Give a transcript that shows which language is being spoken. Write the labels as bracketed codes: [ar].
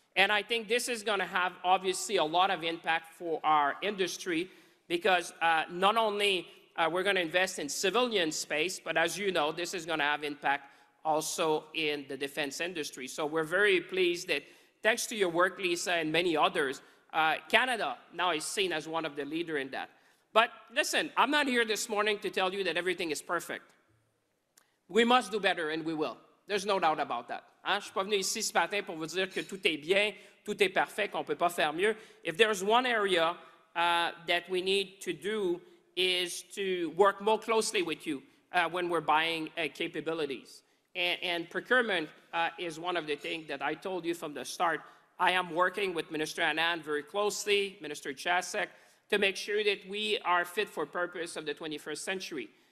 [en] And I think this is going to have, obviously, a lot of impact for our industry, because not only we're going to invest in civilian space, but as you know, this is going to have impact also in the defense industry. So we're very pleased that, thanks to your work, Lisa, and many others, Canada now is seen as one of the leaders in that. But listen, I'm not here this morning to tell you that everything is perfect. We must do better, and we will. There's no doubt about that. [fr] Hein? Je suis pas venu ici ce matin pour vous dire que tout est bien, tout est parfait, qu'on peut pas faire mieux. [en] If there's one area that we need to do is to work more closely with you when we're buying capabilities. And procurement is one of the things that I told you from the start. I am working with Minister Anand very closely, Minister Chasek, to make sure that we are fit for purpose of the 21st century.